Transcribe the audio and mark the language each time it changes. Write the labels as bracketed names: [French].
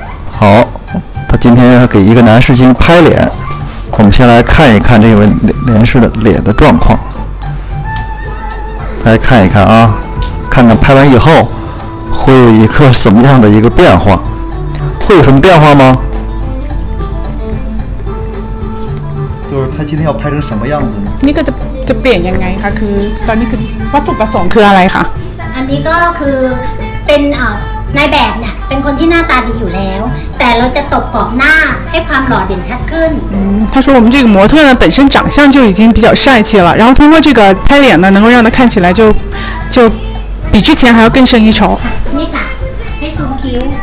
[Chinese] 好今天要给一个男士进行拍脸我们先来看一看这位男士的脸的状况来看一看啊看看拍完以后会有一个什么样的一个变化会有什么变化吗就是他今天要拍成什么样子呢那个这变应该还可以把那个把图把送可爱来哈那个可以变啊 [Thai] นายแบบเนี่ยเป็นคนที่หน้าตาดีอยู่แล้วแต่เราจะตบกรอบหน้าให้ความหล่อเด่นชัดขึ้น ถ้าสมมุติว่าเราเป็นโมเดลนะ [Chinese] 本身長相就已經比較帥氣了然後通過這個拍臉呢能夠讓他看起來就比之前還要更勝一籌 [Thai] นี่ค่ะให้ซูมคิ้ว